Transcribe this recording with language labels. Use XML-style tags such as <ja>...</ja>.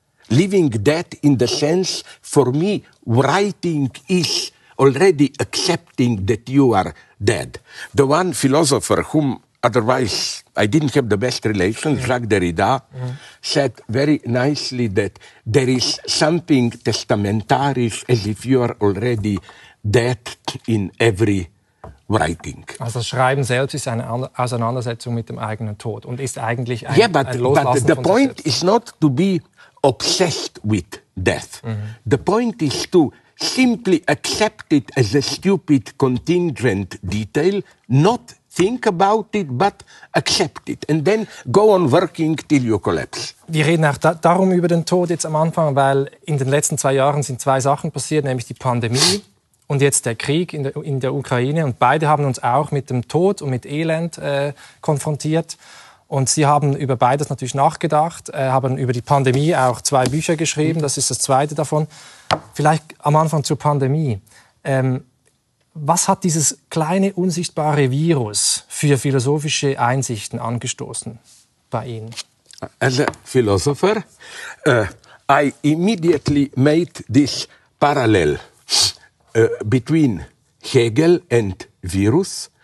<en>Living death in the sense, for me, writing is already accepting that you are dead. The one philosopher whom otherwise I didn't have the best relations, Jacques Derrida, said very nicely that there is something testamentarish as if you are already dead in every writing.</en> <de>Also Schreiben selbst ist eine Auseinandersetzung mit dem eigenen Tod und ist eigentlich ein Loslassen von sich selbst.</de> <en>Yeah, but the point is not to be obsessed with death. The point is to simply accept it as a stupid contingent detail, not think about it, but accept it. And then go on working till you collapse.</en> <de>Wir reden auch darum über den Tod jetzt am Anfang, weil in den letzten zwei Jahren sind zwei Sachen passiert, nämlich die Pandemie und jetzt der Krieg in der Ukraine. Und beide haben uns auch mit dem Tod und mit Elend konfrontiert. Und Sie haben über beides natürlich nachgedacht, haben über die Pandemie auch zwei Bücher geschrieben, das ist das zweite davon. Vielleicht am Anfang zur Pandemie. Was hat dieses kleine unsichtbare Virus für philosophische Einsichten angestoßen bei Ihnen?</de> <en>As a philosopher, I immediately made this parallel between Hegel and Virus.</en>